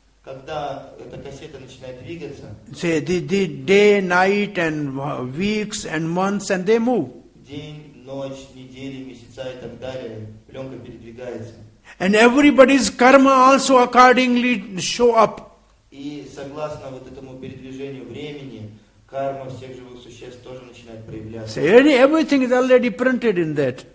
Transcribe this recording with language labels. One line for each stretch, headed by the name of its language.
Russian: когда эта кассета начинает двигаться,
English: say the day, night, and weeks, and months, and they move.
Russian: День, ночь, недели, месяца и так далее, пленка передвигается.
English: And everybody's karma also accordingly show up.
Russian: И согласно вот этому передвижению времени, карма всех живых существ тоже начинает проявляться.
English: Say everything is already printed in that.